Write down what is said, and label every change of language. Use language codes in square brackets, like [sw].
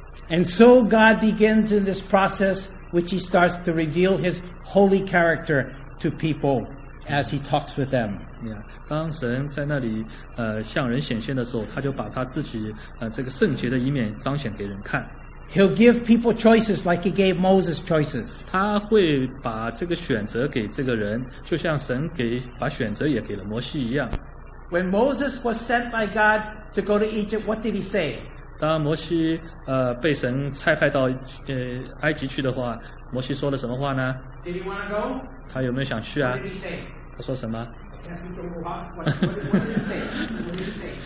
[en] And so God begins in this process, which He starts to reveal His holy character to people as He talks with them. [zh] Yeah, 当神在那里向人显现的时候，他就把他自己这个圣洁的一面彰显给人看。 [en] He'll give people choices like he gave Moses choices. [zh] 他会把这个选择给这个人，就像神给把选择也给了摩西一样。 [en] When Moses was sent by God to go to Egypt, what did he say? [zh] 当摩西被神差派到埃及去的话，摩西说了什么话呢 [en] ？Did he want to go? [zh] 他有没有想去啊 [en] ？What did he say? [zh] 他说什么 [en] ？What did he say? What did he say?